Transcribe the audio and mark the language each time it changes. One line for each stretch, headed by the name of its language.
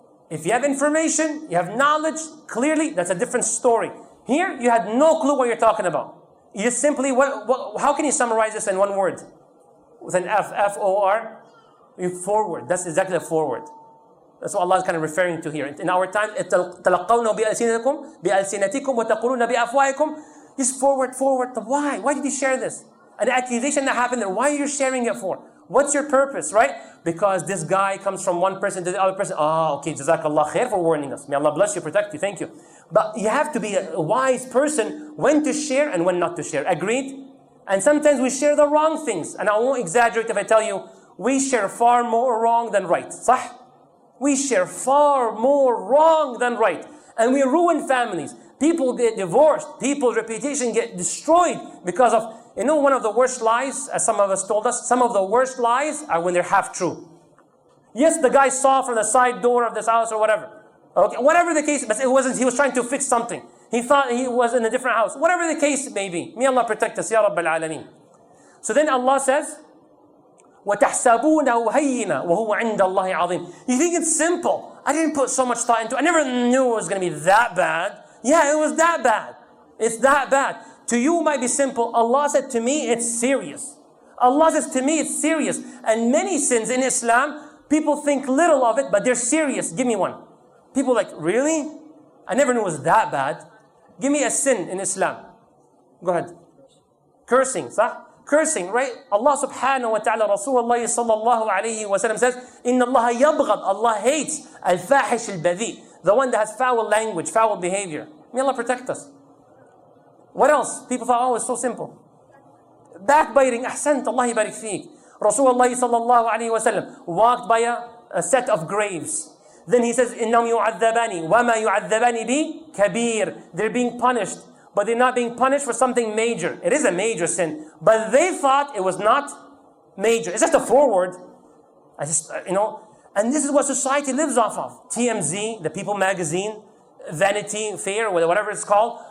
English: If you have information, you have knowledge, clearly, that's a different story. Here, you had no clue what you're talking about. You just simply, how can you summarize this in one word? With an F, F-O-R? Forward, that's exactly a forward. That's what Allah is kind of referring to here. In our time,
Arabic: تَلَقَّوْنَا بِأَلْسِنَتِكُمْ بِأَلْسِنَتِكُمْ وَتَقُولُونَ بِأَفْوَاهِكُمْ.
English: Just forward. Why? Why did you share this? An accusation that happened there, why are you sharing it for? What's your purpose, right? Because this guy comes from one person to the other person. Oh, okay, jazakallah khair for warning us. May Allah bless you, protect you, thank you. But you have to be a wise person when to share and when not to share. Agreed? And sometimes we share the wrong things. And I won't exaggerate if I tell you, we share far more wrong than right.
Arabic: صح?
English: We share far more wrong than right. And we ruin families. People get divorced. People's reputation get destroyed because of... You know one of the worst lies, as some of us told us, some of the worst lies are when they're half true. Yes, the guy saw from the side door of this house or whatever. Okay, whatever the case, but it wasn't, he was trying to fix something. He thought he was in a different house. Whatever the case may be, may Allah protect us, Ya Rabbil Alameen. So then Allah says,
Arabic: وَتَحْسَبُونَهُ هَيِّنًا وَهُوَ عِنْدَ اللَّهِ عَظِيمٌ.
English: You think it's simple. I didn't put so much thought into it. I never knew it was going to be that bad. Yeah, it was that bad. It's that bad. To you it might be simple. Allah said to me, it's serious. Allah says to me, it's serious. And many sins in Islam, people think little of it, but they're serious. Give me one. People are like, really? I never knew it was that bad. Give me a sin in Islam. Go ahead. Cursing, صح? Cursing, right? Allah subhanahu wa ta'ala, Rasulullah sallallahu alayhi wa sallam says,
Arabic: إِنَّ اللَّهَ يَبْغَضْ.
English: Allah hates
Arabic: الفاحش البذيء.
English: The one that has foul language, foul behavior. May Allah protect us. What else? People thought, oh, it's so simple. Backbiting, ahsant, Allah barik feek. Rasulullah sallallahu alayhi wa sallam walked by a set of graves. Then he says,
Arabic: إِنَّمْ يُعَذَّبَنِي وَمَا يُعَذَّبَنِي بِكَبِيرٍ.
English: They're being punished, but they're not being punished for something major. It is a major sin, but they thought it was not major. It's just a foreword. And this is what society lives off of. TMZ, the People magazine, Vanity Fair, whatever it's called.